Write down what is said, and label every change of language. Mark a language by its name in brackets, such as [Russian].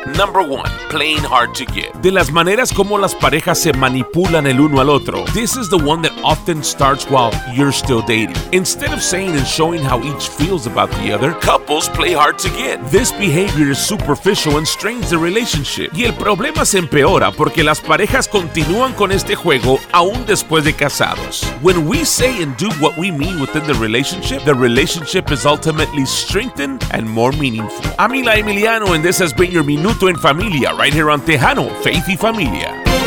[English] Number 1, playing hard to get. [Spanish] De las maneras como las parejas se manipulan el uno al otro, [English] this is the one that often starts while you're still dating. Instead of saying and showing how each feels about the other, couples play hard to get. This behavior is superficial and strains the relationship. [Spanish] Y el problema se empeora porque las parejas continúan con este juego aún después de casados. [English] When we say and do what we mean within the relationship is ultimately strengthened and more meaningful. I'm Eli Emiliano, and this has been your Minuto en Familia, right here on Tejano, Faith y Familia.